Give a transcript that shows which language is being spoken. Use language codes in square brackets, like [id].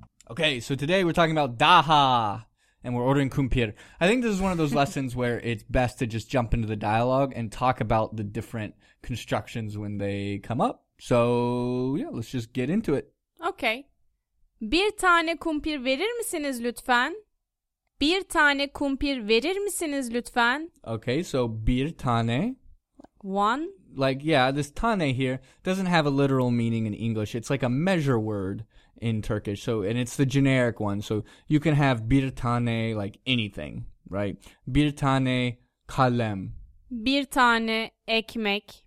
[en] Okay, so today we're talking about daha, and we're ordering kumpir. I think this is one of those lessons where it's best to just jump into the dialogue and talk about the different constructions when they come up. So, yeah, let's just get into it. Okay. [tr] Bir tane kumpir verir misiniz lütfen? Bir tane kumpir verir misiniz lütfen? [en] Okay, so [tr] bir tane. [en] One. Like, yeah, this tane here doesn't have a literal meaning in English. It's like a measure word. In Turkish, so, and it's the generic one, so you can have bir tane, like, anything, right? [tr] Bir tane kalem. Bir tane ekmek.